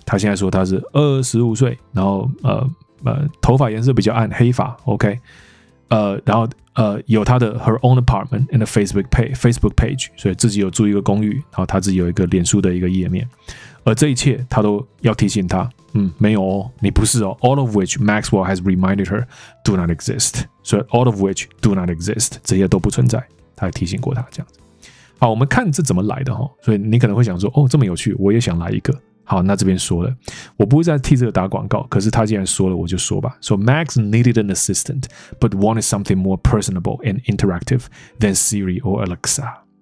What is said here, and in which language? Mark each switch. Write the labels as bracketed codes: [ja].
[zh] 她现在说她是25岁，然后头发颜色比较暗，黑发。 OK， 然后有她的 [en] her own apartment and a Facebook page， [zh] 所以自己有住一个公寓，然后她自己有一个脸书的一个页面。而这一切，她都要提醒她，没有哦，你不是哦。 [en] All of which Maxwell has reminded her do not exist. [zh] 所以 [en] all of which do not exist， [zh] 这些都不存在。她提醒过她这样子。好，我们看这怎么来的哈，所以你可能会想说，哦，这么有趣，我也想来一个。好，那这边说了，我不会再替这个打广告，可是他既然说了，我就说吧。 [en] So Max needed an assistant, but wanted something more personable and interactive than Siri or Alexa.